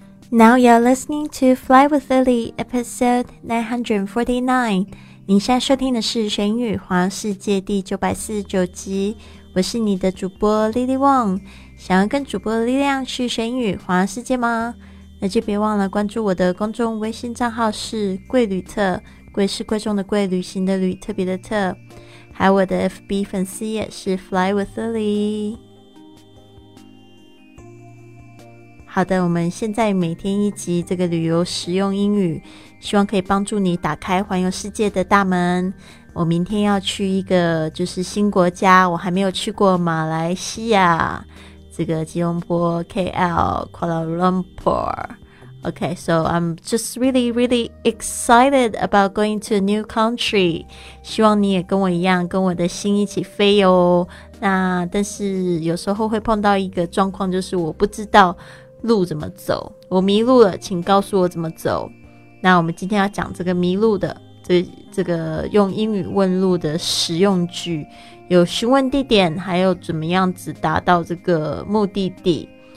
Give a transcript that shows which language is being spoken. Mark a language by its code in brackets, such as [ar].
[en] Now you're listening to Fly with Lily, episode 949. [zh] 你现在收听的是《玄语环游世界》第949集。我是你的主播 Lily Wong。想要跟主播的力量去玄语环游世界吗？那就别忘了关注我的公众微信账号是贵旅特，贵是贵重的贵，旅行的旅，特别的特。还有我的 FB 粉丝也是 Fly with Lily。好的，我们现在每天一集这个旅游实用英语，希望可以帮助你打开环游世界的大门。我明天要去一个就是新国家，我还没有去过马来西亚，这个吉隆坡 KL Kuala Lumpur。 [en] Okay, so I'm just really really excited about going to a new country. [zh] 希望你也跟我一样，跟我的心一起飞哦。那但是有时候会碰到一个状况，就是我不知道路怎么走，我迷路了，请告诉我怎么走。那我们今天要讲这个迷路的这个用英语问路的实用句，有询问地点，还有怎么样子达到这个目的地。